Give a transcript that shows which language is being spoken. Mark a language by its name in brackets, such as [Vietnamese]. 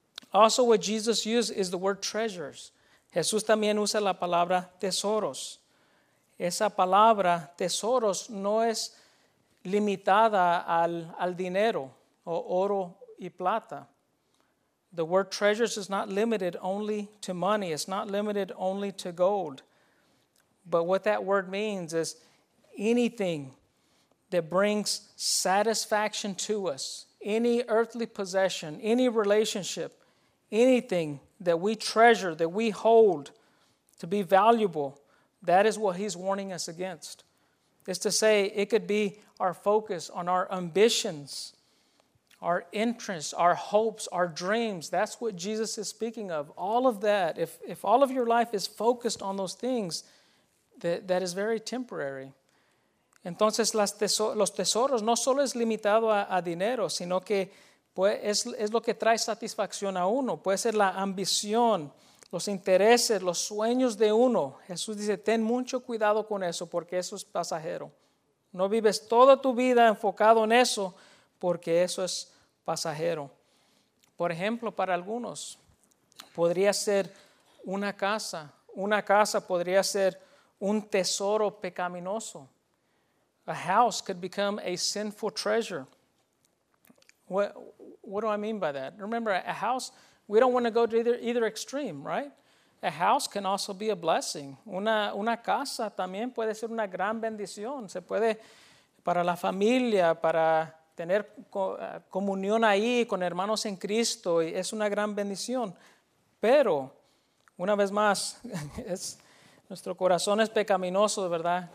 [English] Also, what Jesus used is the word treasures. [Spanish] Jesús también usa la palabra tesoros. Esa palabra tesoros no es limitada al dinero o oro y plata. [English] The word treasures is not limited only to money. It's not limited only to gold. But what that word means is anything that brings satisfaction to us, any earthly possession, any relationship, anything that we treasure, that we hold to be valuable, that is what he's warning us against. It's to say, it could be our focus on our ambitions, our interests, our hopes, our dreams. That's what Jesus is speaking of. All of that, if all of your life is focused on those things, that is very temporary. [Spanish] Entonces, los tesoros no solo es limitado a dinero, sino que es lo que trae satisfacción a uno. Puede ser la ambición, los intereses, los sueños de uno. Jesús dice, ten mucho cuidado con eso, porque eso es pasajero. No vives toda tu vida enfocado en eso, porque eso es pasajero. Por ejemplo, para algunos, podría ser una casa. Una casa podría ser un tesoro pecaminoso. [English] A house could become a sinful treasure. What do I mean by that? Remember, a house, we don't want to go to either extreme, right? A house can also be a blessing. [Spanish] Una casa también puede ser una gran bendición. Se puede, para la familia, para tener comunión ahí con hermanos en Cristo, es una gran bendición. Pero Una vez más, nuestro corazón es pecaminoso, ¿verdad?